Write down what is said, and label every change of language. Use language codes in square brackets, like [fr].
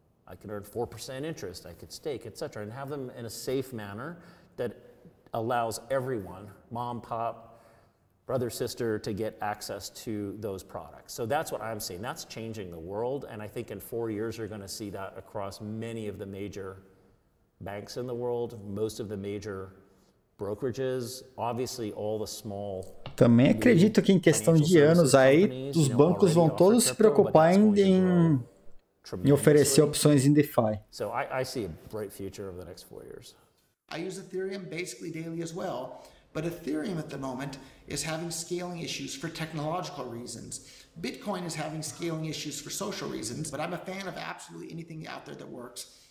[en] I can earn 4% interest, I could stake, et cetera, and have them in a safe manner that allows everyone, mom, pop, brother, sister, to get access to those products. So that's what I'm seeing. That's changing the world. And I think in 4 years, you're going to see that across many of the major banks in the world, most of the major brokerages, obviously all the small. [pt] Também acredito que em questão de anos aí, os bancos vão todos se preocupar em oferecer opções em DeFi. [en] So I see a bright future over the next 4 years. I use Ethereum basically daily as well, but Ethereum at the moment is having scaling issues for technological reasons. Bitcoin is having scaling issues for social reasons, but I'm a fan of absolutely anything out there that works.